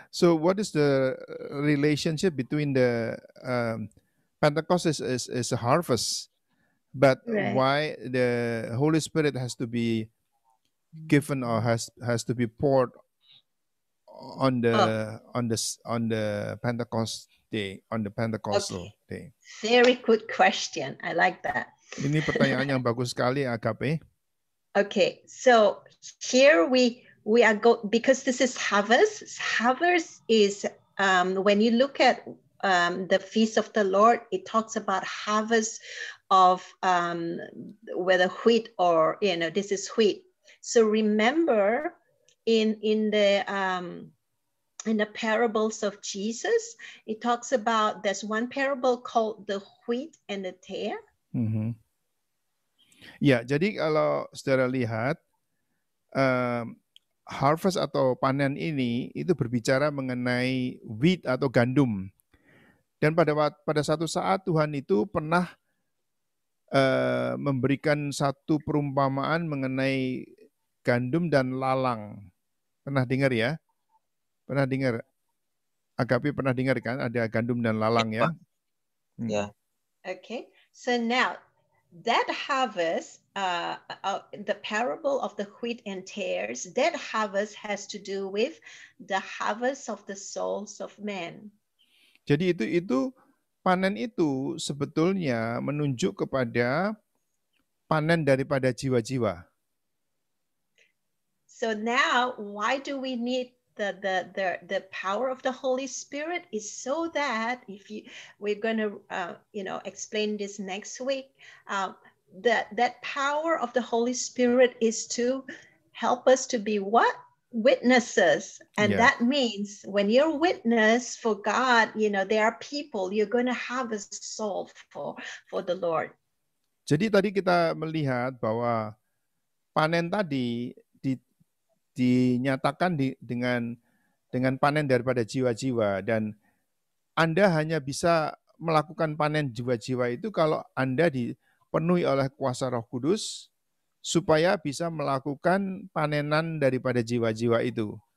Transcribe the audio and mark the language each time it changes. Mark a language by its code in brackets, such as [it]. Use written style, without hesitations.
[en] So what is the relationship between the Pentecost is a harvest, but right. Why the Holy Spirit has to be given or has to be poured on the Pentecost day, on the Pentecostal day? Very good question. I like that. [id] Ini pertanyaan yang bagus sekali, Agape. [en] Okay, so here we are go, because this is harvest. Harvest is when you look at the Feast of the Lord, it talks about harvest of whether wheat or, you know, this is wheat. So remember in the parables of Jesus, it talks about there's one parable called the wheat and the tare. [id] Mm-hmm. Ya, jadi kalau saudara lihat harvest atau panen ini itu berbicara mengenai wheat atau gandum. Dan pada satu saat Tuhan itu pernah memberikan satu perumpamaan mengenai gandum dan lalang. Pernah dengar ya? Pernah dengar? Agapi pernah dengar kan ada gandum dan lalang ya? Ya. [en] Okay. So now that harvest, the parable of the wheat and tares, that harvest has to do with the harvest of the souls of men. [id] Jadi itu panen itu sebetulnya menunjuk kepada panen daripada jiwa-jiwa. [en] So now, why do we need the power of the Holy Spirit? Is so that we're going to explain this next week, that power of the Holy Spirit is to help us to be what? Witnesses. And that means when you're witness for God, you know, there are people you're going to have a soul for the Lord. [id] Jadi tadi kita melihat bahwa panen tadi dinyatakan dengan panen daripada jiwa-jiwa, dan Anda hanya bisa melakukan panen jiwa-jiwa itu kalau Anda dipenuhi oleh kuasa Roh Kudus supaya bisa melakukan panenan daripada jiwa-jiwa itu.